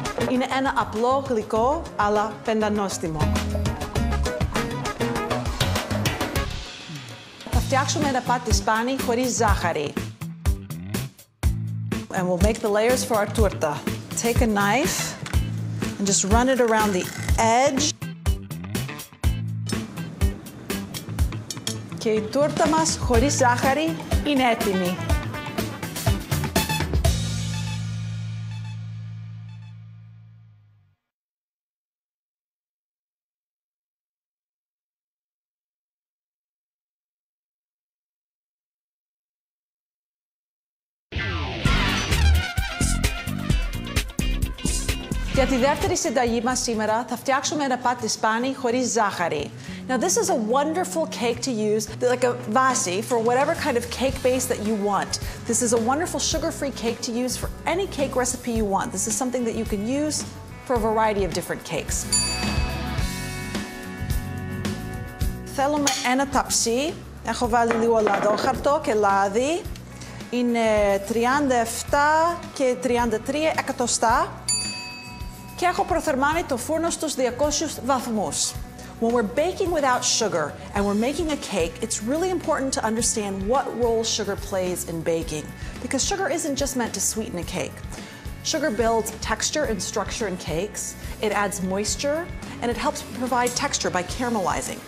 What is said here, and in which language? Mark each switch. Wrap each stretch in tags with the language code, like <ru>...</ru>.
<el>Είναι ένα απλό γλυκό, αλλά πεντανόστιμο. Θα φτιάξουμε ένα πάτη σπάνι χωρίς ζάχαρη.</el> <en>And we'll make the layers for our torta. Take a knife and just run it around the edge.</en> <el>Και η τούρτα μας χωρίς ζάχαρη είναι έτοιμη. Για τη δεύτερη συνταγή μας σήμερα θα φτιάξουμε ένα πάτη σπάνι χωρίς ζάχαρη.</el> <en>Now this is a wonderful cake to use, like a vasi, for whatever kind of cake base that you want. This is a wonderful sugar-free cake to use for any cake recipe you want. This is something that you can use for a variety of different cakes.</en> <el>Θέλουμε ένα ταψί. Έχω βάλει λίγο λαδόχαρτο και λάδι. Είναι 37 και 33 εκατοστά. Και έχω προθερμάνει το φούρνο στους 200 βαθμούς.</el> <en>When we're baking without sugar and we're making a cake, it's really important to understand what role sugar plays in baking, because sugar isn't just meant to sweeten a cake. Sugar builds texture and structure in cakes, it adds moisture, and it helps provide texture by caramelizing.</en>